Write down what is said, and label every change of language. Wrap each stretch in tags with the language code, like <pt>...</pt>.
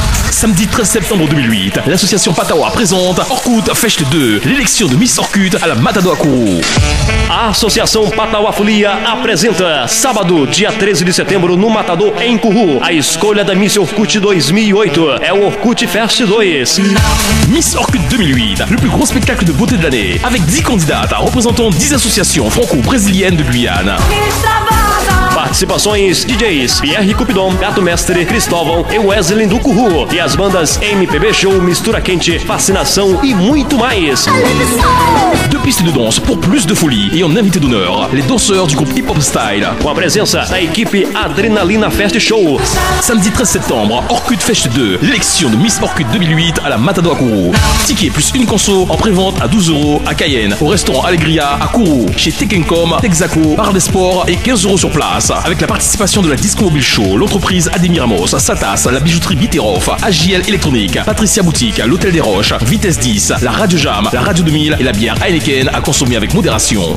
<fr>samedi 13 septembre 2008, l'association Patawa présente Orkut Fest 2, l'élection de Miss Orkut à la Matado Akuru.</fr> <pt>Associação Patawa Folia apresenta sábado, dia 13 de setembro, no Matador em Curru. A escolha da Miss Orkut 2008 é o Orkut Fest 2.</pt> <fr>Miss Orkut 2008, le plus gros spectacle de beauté de l'année, avec 10 candidates représentant 10 associations franco-brésiliennes de Guyane.</fr> <pt>Participações: DJs Pierre Cupidon, Gato Mestre, Cristóvão e Wesley do Curru. E as bandas MPB Show, Mistura Quente, Fascinação e muito mais.</pt> <fr>Deux pistes de danse pour plus de folie. Et en invité d'honneur, les danseurs du groupe Hip Hop Style.</fr> <pt>Com a presença da equipe Adrenalina Fest Show.</pt> <fr>Samedi 13 septembre, Orkut Fest 2. L'élection de Miss Orkut 2008 à la Matado Akuru. Ticket plus une conso en pré-vente à 12€ à Cayenne. Au restaurant Alegria à Kourou. Chez Tekencom, Texaco, Bar des Sports et 15€ sur place. Avec la participation de la Disco Mobile Show, l'entreprise Ademiramos, Satas, la bijouterie Biteroff, AJL Electronique, Patricia Boutique, l'Hôtel des Roches, Vitesse 10, la Radio Jam, la Radio 2000 et la bière Heineken à consommer avec modération.</fr>